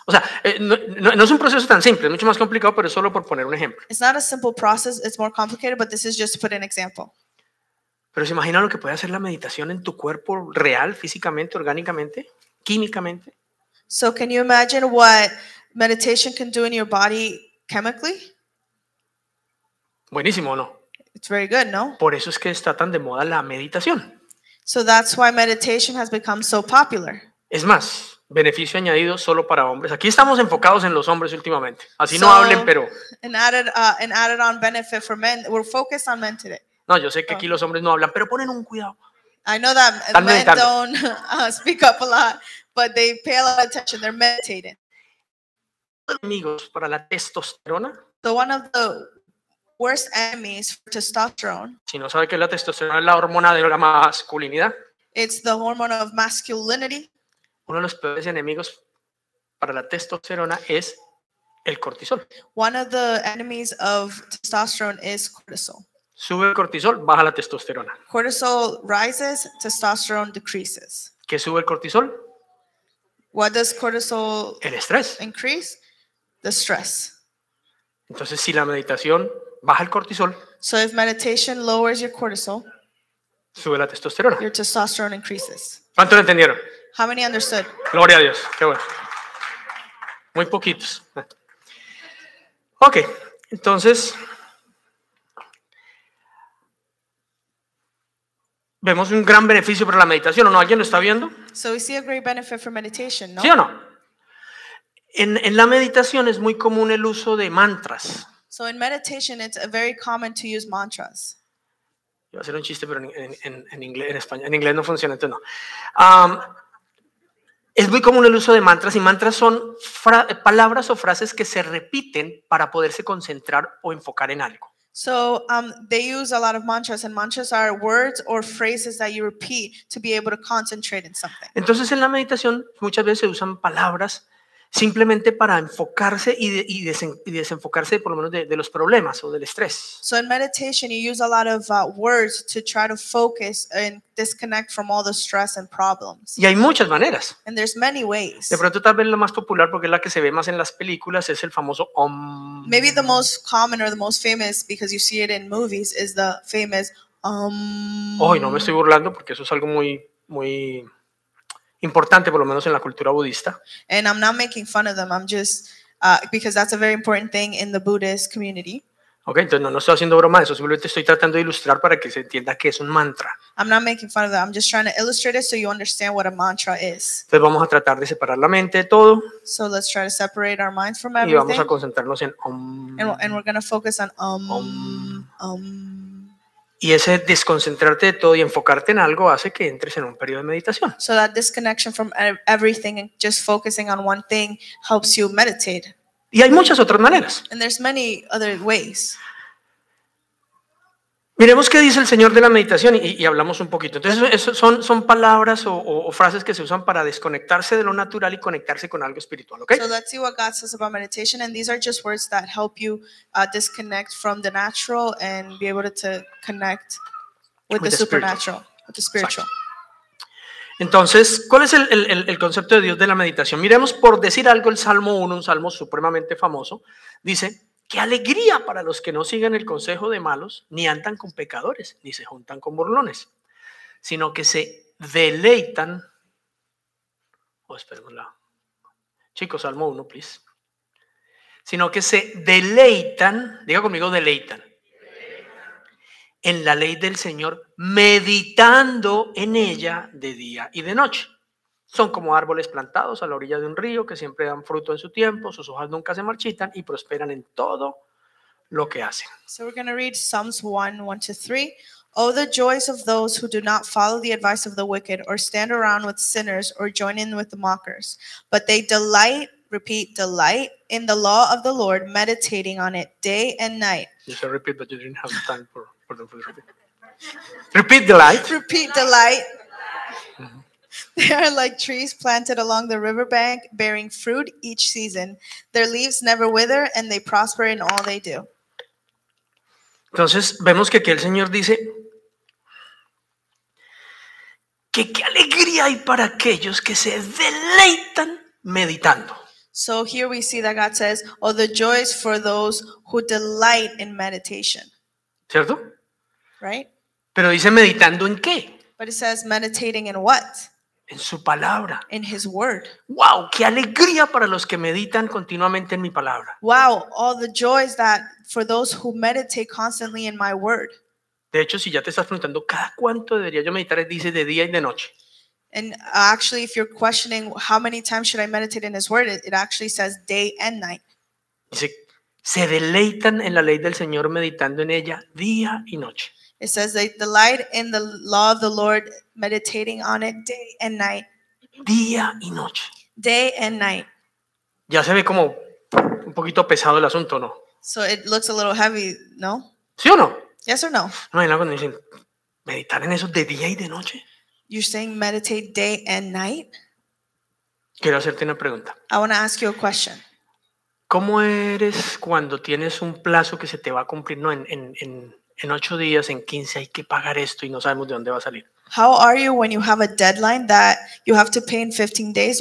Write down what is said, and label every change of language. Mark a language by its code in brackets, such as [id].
[es] O sea, no es un proceso tan simple, es mucho más complicado, pero es solo por poner un ejemplo. [en] It's not a simple process, it's more complicated, but this is just to put an example. [es] Pero ¿se imagina lo que puede hacer la meditación en tu cuerpo real, físicamente, orgánicamente, químicamente? [en] So can you imagine what meditation can do in your body chemically? [es] Buenísimo, ¿no? [en] It's very good, [es] ¿no? Por eso es que está tan de moda la meditación. [en] So that's why meditation has become so popular. [es] Es más, beneficio añadido solo para hombres. Aquí estamos enfocados en los hombres últimamente. Así no hablen, pero [en] an added on benefit for men. We're focused on men today. [es] No, yo sé que aquí los hombres no hablan, pero ponen un cuidado. [en] I know that men don't speak up a lot, but they pay a lot of attention. They're meditating. [es] Amigos para la testosterona. [en] So one of the worst enemies for testosterone. [es] Si no sabe que la testosterona es la hormona de la masculinidad. [en] It's the hormone of masculinity. [es] Uno de los peores enemigos para la testosterona es el cortisol. [en] One of the enemies of testosterone is cortisol. [es] Sube el cortisol, baja la testosterona. [en] Cortisol rises, testosterone decreases. [es] ¿Qué sube el cortisol? [en] What does cortisol? [es] El estrés. [en] Increase the stress. [es] Entonces, si la meditación baja el cortisol. [en] So if meditation lowers your cortisol, [es] sube la testosterona. [en] Your testosterone increases. [es] ¿Cuánto lo entendieron? [en] How many understood? [es] Gloria a Dios. Qué bueno. Muy poquitos. Okay, entonces vemos un gran beneficio para la meditación, ¿o no? ¿Alguien lo está viendo? [en] So we see a great benefit for meditation, [es] ¿no? ¿Sí o no? En la meditación es muy común el uso de mantras. [en] So in meditation it's very common to use mantras. [es] Iba a hacer un chiste, pero en inglés no funciona, entonces no. Es muy común el uso de mantras, y mantras son palabras o frases que se repiten para poderse concentrar o enfocar en algo. [en] So they use a lot of mantras, and mantras are words or phrases that you repeat to be able to concentrate in something. [es] Entonces en la meditación muchas veces se usan palabras simplemente para enfocarse y desenfocarse por lo menos de los problemas o del estrés. [en] So in meditation you use a lot of words to try to focus and disconnect from all the stress and problems. [es] Y hay muchas maneras. [en] And there's many ways. [es] De pronto tal vez la más popular, porque es la que se ve más en las películas, es el famoso om. [en] Maybe the most common or the most famous, because you see it in movies, is the famous om. [es] Oy, no me estoy burlando, porque eso es algo muy muy importante, por lo menos en la cultura budista. [en] And I'm not making fun of them. I'm just because that's a very important thing in the Buddhist community. [es] Okay, entonces no estoy haciendo broma de eso. Simplemente estoy tratando de ilustrar para que se entienda qué es un mantra. [en] I'm not making fun of them. I'm just trying to illustrate it so you understand what a mantra is. [es] Entonces vamos a tratar de separar la mente de todo. [en] So let's try to separate our minds from everything. [es] Y vamos a concentrarnos en om. [en] And we're going to focus on om. Om. Om. [es] Y ese desconcentrarte de todo y enfocarte en algo hace que entres en un periodo de meditación. [en] So that disconnection from everything and just focusing on one thing helps you meditate. [es] Y hay muchas otras maneras. [en] And there's many other ways. [es] Miremos qué dice el Señor de la meditación y hablamos un poquito. Entonces, eso son palabras o frases que se usan para desconectarse de lo natural y conectarse con algo espiritual, ¿okay? [en] So let's see what God says about meditation, and these are just words that help you disconnect from the natural and be able to connect with the supernatural, with the spiritual. [es] Entonces, ¿cuál es el concepto de Dios de la meditación? Miremos, por decir algo, el Salmo 1, un salmo supremamente famoso, dice: qué alegría para los que no siguen el consejo de malos, ni andan con pecadores, ni se juntan con burlones, sino que se deleitan. Oh, espérenla. Chicos, Salmo 1, [en] please. [es] Sino que se deleitan, diga conmigo, deleitan. En la ley del Señor, meditando en ella de día y de noche. Son como árboles plantados a la orilla de un río que siempre dan fruto en su tiempo, sus hojas nunca se marchitan y prosperan en todo lo que hacen. [en] So we're going to read Psalms 1:1-3. Oh, the joys of those who do not follow the advice of the wicked, or stand around with sinners, or join in with the mockers. But they delight, repeat, delight in the law of the Lord, meditating on it day and night. You said repeat, but you didn't have time for the repeat. Repeat delight. Repeat delight. They are like trees planted along the riverbank, bearing fruit each season. Their leaves never wither, and they prosper in all they do. [es] Entonces, vemos que aquí el Señor dice que qué alegría hay para aquellos que se deleitan meditando. [en] So here we see that God says, oh, the joys for those who delight in meditation. [es] ¿Cierto? [en] Right? [es] Pero dice, ¿meditando en qué? [en] But it says, meditating in what? [es] En su palabra. [en] In his word. [es] Wow, qué alegría para los que meditan continuamente en mi palabra. [en] Wow, all the joys that for those who meditate constantly in my word. [es] De hecho, si ya te estás preguntando cada cuánto debería yo meditar, dice de día y de noche. [en] And actually, if you're questioning how many times should I meditate in his word, it actually says day and night. [es] Dice, se deleitan en la ley del Señor meditando en ella día y noche. [en] It says they delight in the law of the Lord, meditating on it day and night. [es] Día y noche. [en] Day and night. [es] Ya se ve como un poquito pesado el asunto, ¿no? [en] So it looks a little heavy, [es] ¿no? ¿Sí o no? [en] Yes or no? [es] No, en algo me dicen, meditar en eso de día y de noche. [en] You're saying meditate day and night? [es] Quiero hacerte una pregunta. [en] I want to ask you a question. [es] ¿Cómo eres cuando tienes un plazo que se te va a cumplir, no, en 8 días, en 15, hay que pagar esto y no sabemos de dónde va a salir? [en] How are you when you have a deadline that you have to pay in 15 days?